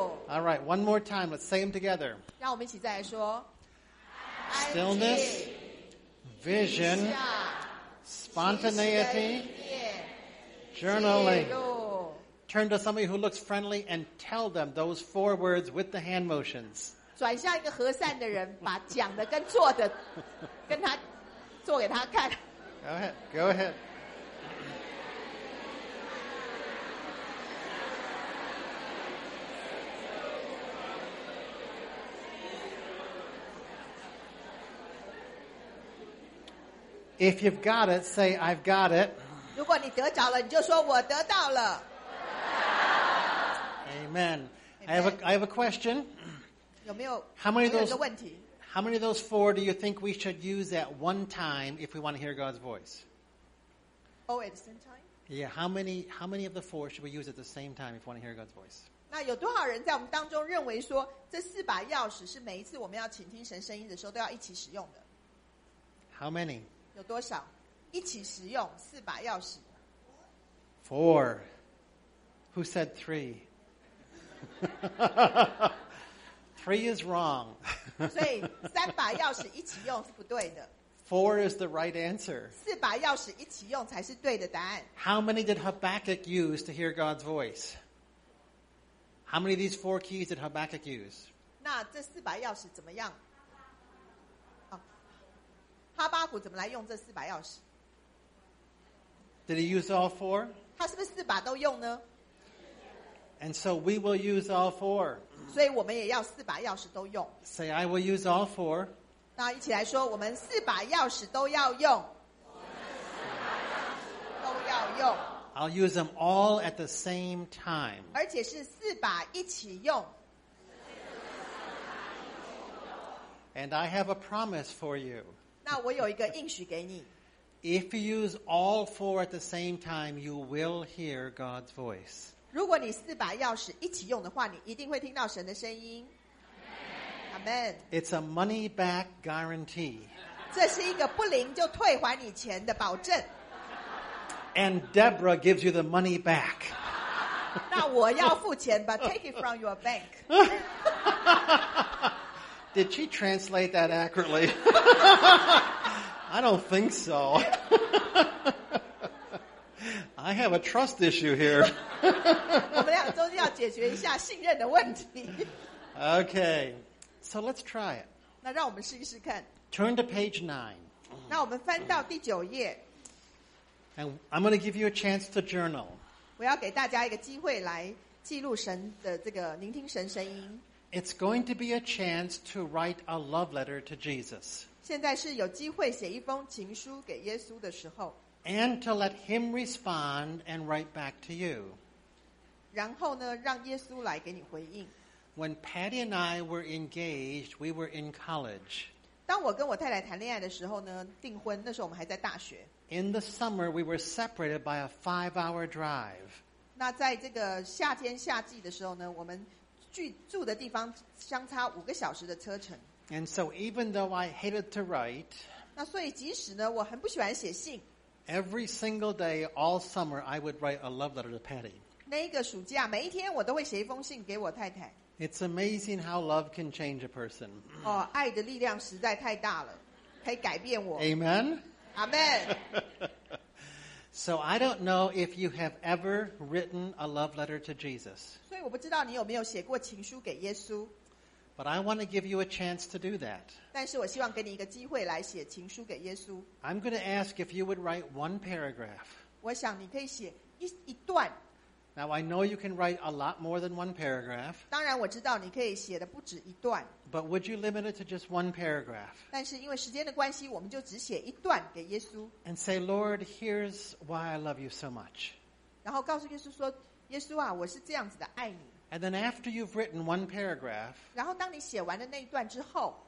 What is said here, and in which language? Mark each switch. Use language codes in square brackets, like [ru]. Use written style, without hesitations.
[en] All right, one more time. Let's say them together. [zh] 让我们一起再来说。 [en] Stillness, vision, spontaneity, journaling. Turn to somebody who looks friendly and tell them those four words with the hand motions. [zh] 转向一个和善的人，把讲的跟做的，跟他做给他看。 [en] Go ahead. Go ahead. If you've got it, say, I've got it. [zh] 如果你得着了，你就说我得到了。 [en] Amen. Amen. I have a question. [zh] 有没有？ [en] How many of those, [zh] 有一个问题。 [en] How many of those four do you think we should use at one time if we want to hear God's voice? Oh, at the same time? Yeah, how many of the four should we use at the same time if we want to hear God's voice? [zh] 那有多少人在我们当中认为说，这四把钥匙是每一次我们要倾听神声音的时候都要一起使用的？ [en] How many? [zh] 有多少一起使用四把钥匙 [en] Four. Who said three? Three is wrong. [zh] 所以三把钥匙一起用是不对的 [en] Four is the right answer. [zh] 四把钥匙一起用才是对的答案 [en] How many did Habakkuk use to hear God's voice? How many of these four keys did Habakkuk use? [zh] 那这四把钥匙怎么样哈巴谷怎么来用这四把钥匙 [en] Did he use all four? [zh] 他是不是四把都用呢 [en] And so we will use all four. [zh] 所以我们也要四把钥匙都用 [en] Say I will use all four. [zh] 那一起来说我们四把钥匙都要用都要用 [en] I'll use them all at the same time. [zh] 而且是四把一起用 [en] And I have a promise for you. [zh] 那我有一个应许给你。 [en] If you use all four at the same time, you will hear God's voice. [zh] 如果你四把钥匙一起用的话，你一定会听到神的声音。 [en] Amen. It's a money back guarantee. [zh] 这是一个不灵就退还你钱的保证。 [en] And Deborah gives you the money back. [zh] 那我要付钱， [en] but take it from your bank. Did she translate that accurately? I don't think so. I have a trust issue here. [zh] 我们要都要解决一下信任的问题。 [en] Okay, so let's try it. [zh] 那让我们试一试看。 [en] Turn to page 9. [zh] 那我们翻到第九页。 [en] And I'm going to give you a chance to journal. [zh] 我要给大家一个机会来记录神的这个聆听神声音。 [en] It's going to be a chance to write a love letter to Jesus. [zh] 现在是有机会写一封情书给耶稣的时候。 [en] And to let him respond and write back to you. [zh] 然后呢，让耶稣来给你回应。 [en] When Patty and I were engaged, we were in college. [zh] 当我跟我太太谈恋爱的时候呢，订婚，那时候我们还在大学。 [en] In the summer, we were separated by a 5-hour drive. [zh] 那在这个夏天夏季的时候呢，我们住的地方相差五个小时的车程。 [en] And so even though I hated to write, [zh] 那所以即使呢，我很不喜欢写信。 [en] Every single day, all summer, I would write a love letter to Patty. [zh] 那一个暑假，每一天我都会写一封信给我太太。 [en] It's amazing how love can change a person. [zh] 哦，爱的力量实在太大了，可以改变我。 [en] Amen. Amen. So I don't know if you have ever written a love letter to Jesus. [zh] 我不知道你有没有写过情书给耶稣。 [en] But I want to give you a chance to do that. [zh] 但是我希望给你一个机会来写情书给耶稣。 [en] I'm going to ask if you would write one paragraph. [zh] 我想你可以写一段。 [en] Now I know you can write a lot more than one paragraph. [zh] 当然我知道你可以写的不止一段。 [en] But would you limit it to just one paragraph? [zh] 但是因为时间的关系，我们就只写一段给耶稣。 [en] And say, Lord, here's why I love you so much. [zh] 然后告诉耶稣说耶稣啊，我是这样子的爱你。 [en] And then after you've written one paragraph, [zh] 然后当你写完了那一段之后,